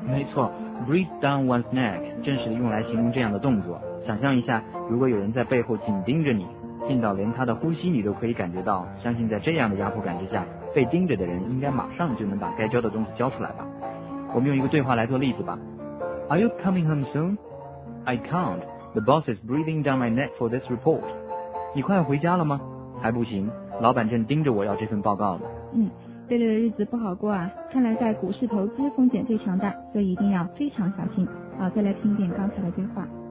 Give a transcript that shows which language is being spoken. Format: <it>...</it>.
<zh>没错，</zh> <en>breathe down one's neck</en> <zh>正是用来形容这样的动作。想象一下，如果有人在背后紧盯着你，近到连他的呼吸你都可以感觉到，相信在这样的压迫感之下，被盯着的人应该马上就能把该交的东西交出来吧。我们用一个对话来做例子吧。</zh> <en>Are you coming home soon? I can't. The boss is breathing down my neck for this report.</en> <zh>你快回家了吗？还不行，老板正盯着我要这份报告呢。嗯，贝利的日子不好过啊，看来在股市投资风险非常大，所以一定要非常小心。好，再来听一遍刚才的对话。</zh>